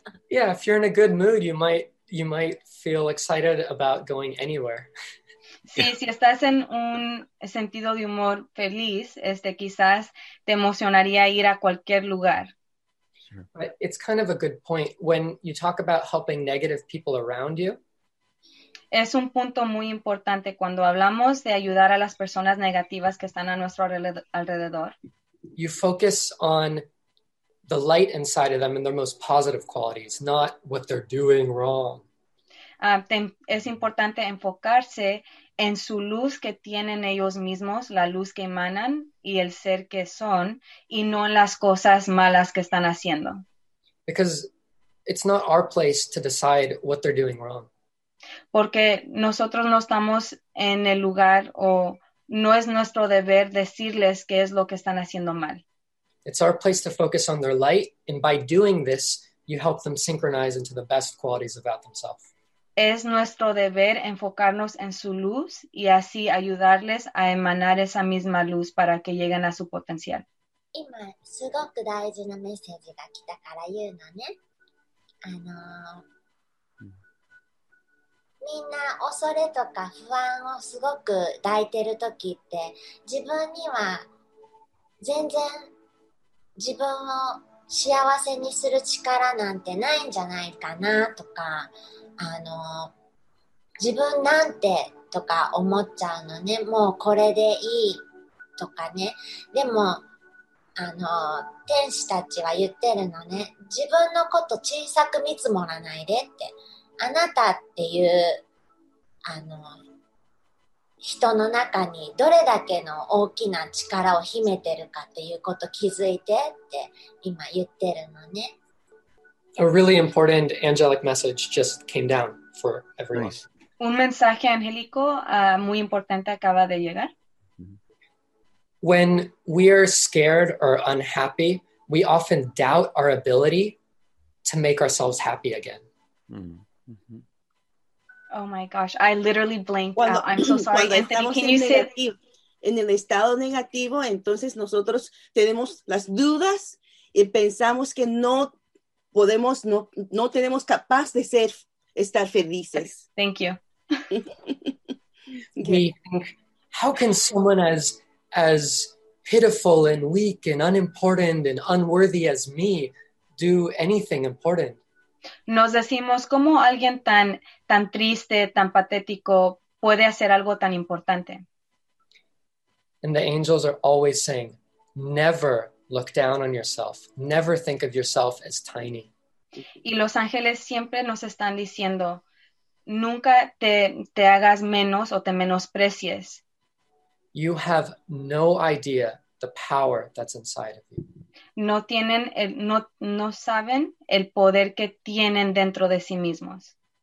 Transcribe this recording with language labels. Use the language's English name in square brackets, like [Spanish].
[English] Yeah, if you're in a good mood, you might feel excited about going anywhere. [Spanish] Sí, yeah. Si estás en un sentido de humor feliz, quizás te emocionaría ir a cualquier lugar. [English] But it's kind of a good point when you talk about helping negative people around you. [Spanish] Es un punto muy importante cuando hablamos de ayudar a las personas negativas que están a nuestro alrededor. [English] You focus on the light inside of them and their most positive qualities, not what they're doing wrong. [Spanish] Es importante enfocarse en su luz que tienen ellos mismos, la luz que emanan y el ser que son, y no en las cosas malas que están haciendo. [English] Because it's not our place to decide what they're doing wrong. [Spanish] Porque nosotros no estamos en el lugar o no es nuestro deber decirles qué es lo que están haciendo mal. [English] It's our place to focus on their light, and by doing this, you help them synchronize into the best qualities about themselves. [Spanish] Es nuestro deber enfocarnos en su luz y así ayudarles a emanar esa misma luz para que lleguen a su potencial. [Japanese] 今すごく大事なメッセージが来たから言うのね。みんな恐れとか不安をすごく抱いてる時って、自分には全然自分を幸せにする力なんてないんじゃないかなとか、自分なんてとか思っちゃうのね。もうこれでいいとかね。でも天使たちは言ってるのね。自分のこと小さく見積もらないでって。あなたっていう人の中にどれだけの大きな力を秘めてるかっていうこと気づいてって今言ってるのね。 [English] A really important angelic message just came down for everyone. Nice. [Spanish] Un mensaje angélico muy importante acaba de llegar. [English] When we are scared or unhappy, we often doubt our ability to make ourselves happy again. Mm-hmm. Oh my gosh, I literally blanked cuando, out. I'm so sorry, Anthony, can you say... Negativo, [Spanish] en el estado negativo, entonces nosotros tenemos las dudas y pensamos que no podemos, no tenemos capaz de ser, estar felices. [English] Thank you. Okay. We think, how can someone as pitiful and weak and unimportant and unworthy as me do anything important? [Spanish] Nos decimos, ¿cómo alguien tan triste, tan patético puede hacer algo tan importante? [English] And the angels are always saying, never look down on yourself. Never think of yourself as tiny. [Spanish] Y los ángeles siempre nos están diciendo, nunca te hagas menos o te menosprecies. [English] You have no idea the power that's inside of you. [Spanish] No tienen, no saben el poder que tienen dentro de sí mismos.